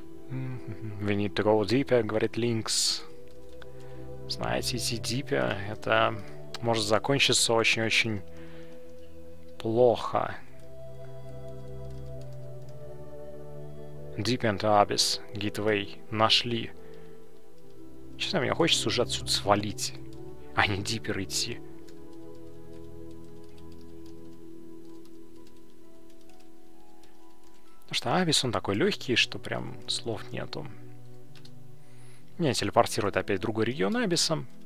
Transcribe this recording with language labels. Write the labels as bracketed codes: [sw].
[en] We need to go deeper, [ru] говорит Линкс. Знаете, идти deeper, это может закончиться очень-очень плохо. [en] Deep into Abyss, Gateway, [ru] нашли. Честно, мне хочется уже отсюда свалить, а не deeper идти. Потому что Абис, он такой легкий, что прям слов нету. Меня телепортирует опять в другой регион Абиса.